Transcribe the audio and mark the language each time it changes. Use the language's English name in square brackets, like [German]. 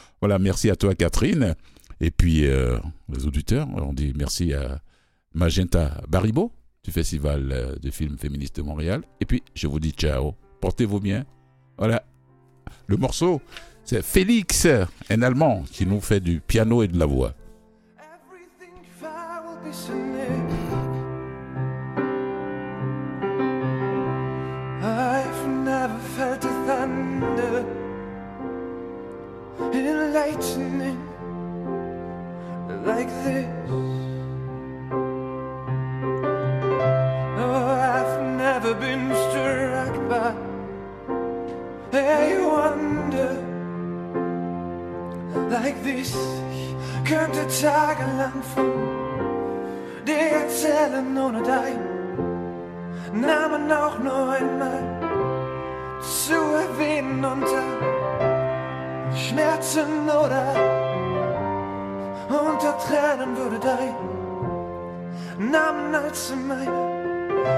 [French] Voilà, merci à toi, Catherine. Et puis, les auditeurs, on dit merci à Magenta Baribo du Festival de films féministes de Montréal. Et puis, je vous dis ciao. Portez-vous bien. Voilà. Le morceau, c'est Félix, un Allemand, qui nous fait du piano et de la voix. [English] Everything you fire will be so near. I've never felt a thunder in lightning like this. Oh, I've never been struck by you wonder like this. [German] Könnte tagelang von dir erzählen ohne dein Namen auch nur einmal zu erwähnen unter Schmerzen oder unter Tränen würde dein Namen als meiner